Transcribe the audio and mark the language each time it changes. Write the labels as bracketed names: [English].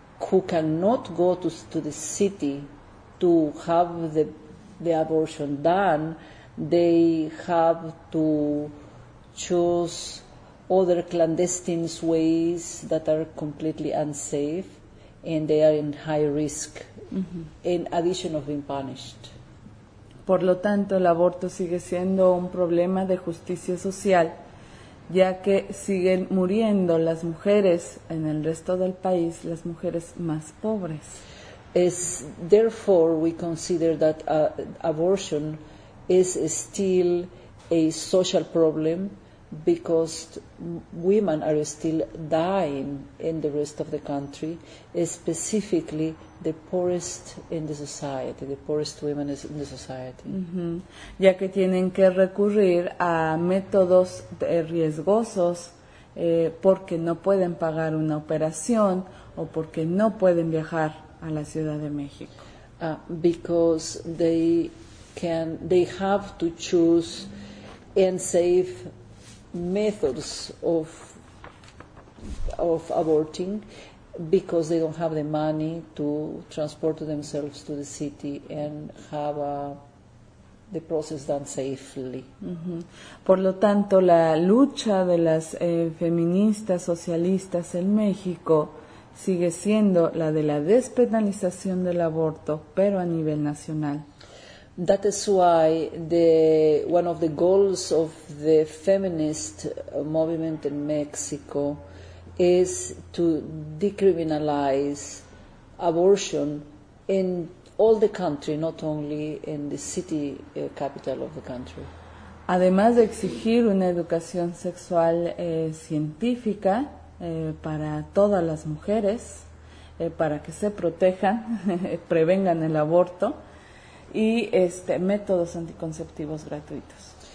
[English] who cannot go to the city to have the abortion done, they have to choose other clandestine ways that are completely unsafe, and they are in high risk, mm-hmm. in addition of being punished. [Spanish] Por lo tanto, el aborto sigue siendo un problema de justicia social ya que siguen muriendo las mujeres en el resto del país, las mujeres más pobres. [English] Es, therefore, we consider that abortion is still a social problem because women are still dying in the rest of the country, specifically the poorest in the society, the poorest women in the society. Mm-hmm. [Spanish] Ya que tienen que recurrir a métodos riesgosos porque no pueden pagar una operación o porque no pueden viajar a la Ciudad de México. [English] Because they have to choose and save methods of aborting because they don't have the money to transport themselves to the city and have the process done safely. Mm-hmm. [Spanish] Por lo tanto, la lucha de las feministas socialistas en México sigue siendo la de la despenalización del aborto, pero a nivel nacional. [English] That is why one of the goals of the feminist movement in Mexico is to decriminalize abortion in all the country, not only in the city capital of the country. [Spanish] Además de exigir una educación sexual científica para todas las mujeres, para que se protejan, prevengan el aborto, y métodos anticonceptivos gratuitos.